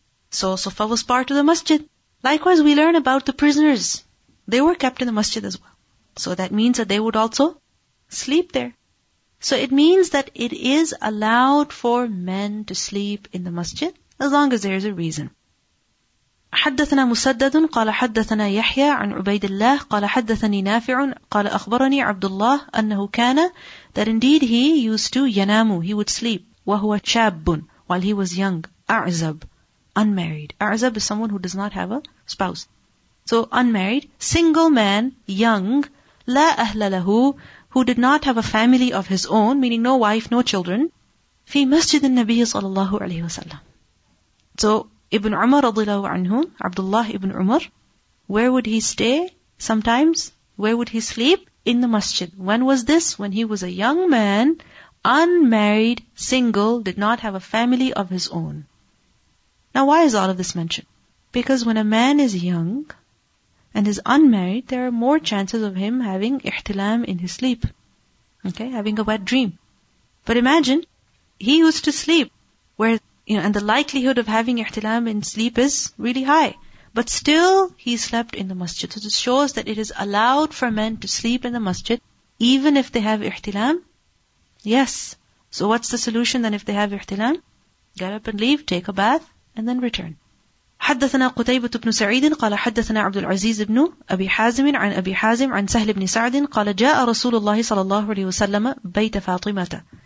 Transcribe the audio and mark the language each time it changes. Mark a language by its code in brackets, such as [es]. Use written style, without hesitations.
[en] So Suffa was part of the masjid. Likewise, we learn about the prisoners. They were kept in the masjid as well. So that means that they would also sleep there. So it means that it is allowed for men to sleep in the masjid as long as there is a reason. [ar] حدثنا مسدد قال حدثنا يحيى عن عبيد الله قال حدثني نافع قال أخبرني عبد الله أنه كان [en] that indeed he used to [ar] ينام, [en] he would sleep, [ar] وهو شاب [en] while he was young, [ar] أعزب, [en] unmarried. أعزب is someone who does not have a spouse. So unmarried, single man, young, [ar] لا أهل له, [en] who did not have a family of his own, meaning no wife, no children, [ar] في مسجد النبي صلى الله عليه وسلم. [en] So Ibn Umar radiallahu anhu, Abdullah ibn Umar, where would he stay sometimes? Where would he sleep? In the masjid. When was this? When he was a young man, unmarried, single, did not have a family of his own. Now why is all of this mentioned? Because when a man is young and is unmarried, there are more chances of him having ihtilam in his sleep. Okay, having a wet dream. But imagine, he used to sleep where, you know, and the likelihood of having ihtilam in sleep is really high. But still, he slept in the masjid. So this shows that it is allowed for men to sleep in the masjid, even if they have ihtilam. Yes. So what's the solution then if they have ihtilam? Get up and leave, take a bath, and then return. [ar] حدثنا قتيبة بن سعيد قال حدثنا عبد العزيز بن أبي حازم عن أبي حازم عن سهل بن سعد قال جاء رسول الله صلى الله عليه وسلم بيت فاطمة.